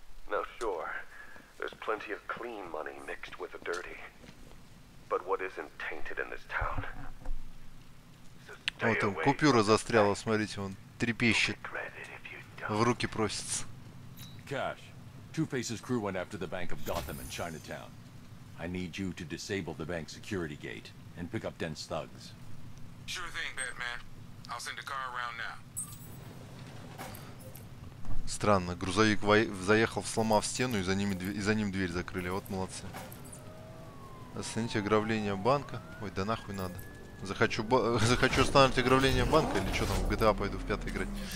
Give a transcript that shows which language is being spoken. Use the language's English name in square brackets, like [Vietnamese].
[English] Now sure, there's plenty of clean money mixed with the dirty. But what isn't tainted in this town? [Russian] Вот там купюра застряла, смотрите, он трепещет. В руки просится. [English] Cash. Two-Face's crew went after the bank of Gotham in Chinatown. I need you to disable the bank security gate and pick up Dent's thugs. Sure thing, Batman. I'll send a car around now. [Russian] Странно, грузовик заехал, сломав стену, и за ним дверь закрыли. Вот молодцы. Остановите ограбление банка. Ой, да нахуй надо. Захочу остановить ограбление банка, или что там, в GTA пойду в пятый играть.